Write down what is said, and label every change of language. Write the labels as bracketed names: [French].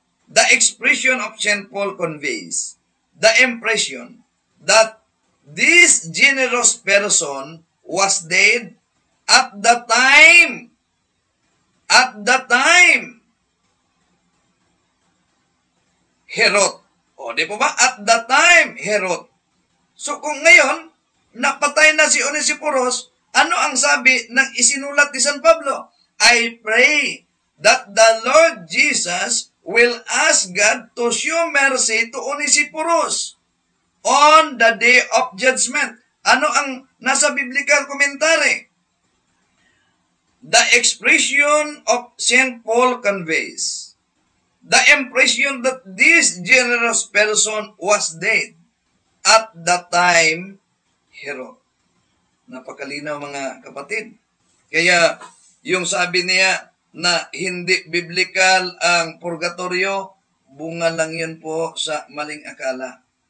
[English] The expression of St. Paul conveys the impression that this generous person was dead at the time he wrote. [Filipino] O, di po ba? [English] At the time he wrote. [Filipino] So, kung ngayon, napatay na si Onesiphorus, ano ang sabi ng isinulat ni San Pablo? [English] I pray that the Lord Jesus will ask God to show mercy to Onesiphorus on the day of judgment. [Filipino] Ano ang nasa [English] biblical commentary? The expression of St. Paul conveys the impression that this generous person was dead at the time he wrote. [Filipino] Napakalinaw mga kapatid. Kaya yung sabi niya na hindi biblical ang purgatorio, bunga lang yun po sa maling akala.